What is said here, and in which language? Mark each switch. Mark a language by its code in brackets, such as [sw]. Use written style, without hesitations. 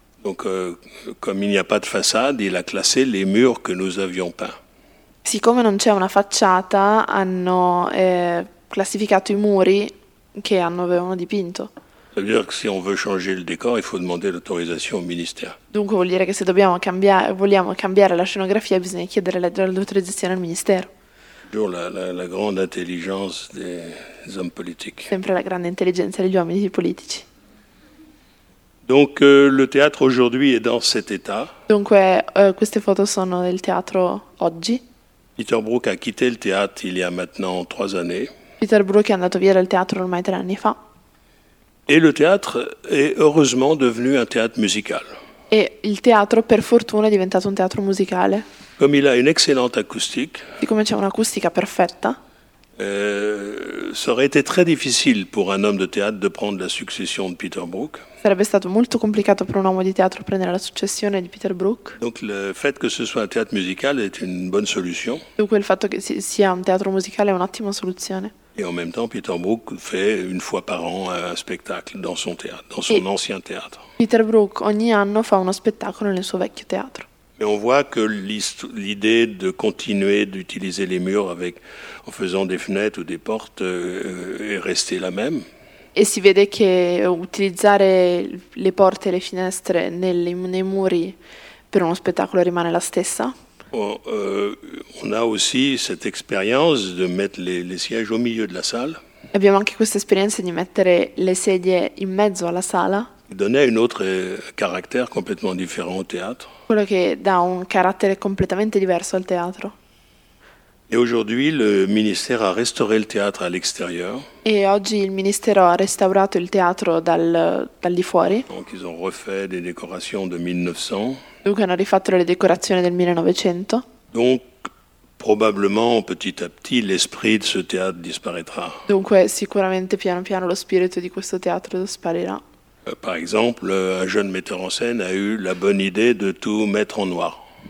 [fr] Donc, comme il n'y a pas de façade, il a classé les murs que nous avions peints. [it] Siccome non c'è una facciata, hanno classificato i muri che avevano dipinto. [fr] Ça veut dire que si on veut changer le décor, il faut demander l'autorisation au ministère. [it] Dunque vuol dire che se dobbiamo cambiare, vogliamo cambiare la scenografia, bisogna chiedere l'autorizzazione al ministero. [fr] Toujours la grande intelligence des hommes politiques. [it] Sempre la grande intelligenza degli uomini politici. [fr] Donc le théâtre aujourd'hui est dans cet état. [it] Dunque queste foto sono del teatro oggi. [fr] Peter Brook a quitté le théâtre il y a maintenant 3 années. [it] Peter Brook è andato via dal teatro ormai 3 anni fa. [fr] Et le théâtre est heureusement devenu un théâtre musical. [it] E il teatro per fortuna è diventato un teatro musicale. [fr] Comme il a une excellente acoustique. [it] Siccome c'è un'acustica perfetta. [fr] Ça aurait été très difficile pour un homme de théâtre de prendre la succession de Peter Brook. [it] Sarebbe stato molto complicato per un uomo di teatro prendere la successione di Peter Brook. [fr] Donc le fait que ce soit un théâtre musical est une bonne solution. [it] Dunque il fatto che sia un teatro musicale è un'ottima soluzione. [fr] Et en même temps, Peter Brook fait une fois par an un spectacle dans son théâtre, dans son ancien théâtre. [it] Peter Brook ogni anno fa uno spettacolo nel suo vecchio teatro. [fr] Mais on voit que l'idée de continuer d'utiliser les murs avec, en faisant des fenêtres ou des portes est restée la même. [it] E si vede che utilizzare le porte e le finestre nei muri per uno spettacolo rimane la stessa. [fr] On a aussi cette expérience de mettre les sièges au milieu de la salle. [it] Abbiamo anche questa esperienza di mettere le sedie in mezzo alla sala. [fr] Donner un autre caractère complètement différent au théâtre. [it] Quello che dà un carattere completamente diverso al teatro. [fr] Et aujourd'hui, le ministère a restauré le théâtre à l'extérieur. [it] E oggi il ministero ha restaurato il teatro dal di fuori. [fr] Donc ils ont refait des décorations de 1900. [it] Dunque hanno rifatto le decorazioni del 1900. [fr] Donc probablement petit à petit l'esprit de ce théâtre disparaîtra. [it] Dunque sicuramente piano piano lo spirito di questo teatro sparirà. [fr] Par exemple, un jeune metteur en scène a eu la bonne idée de tout mettre en noir.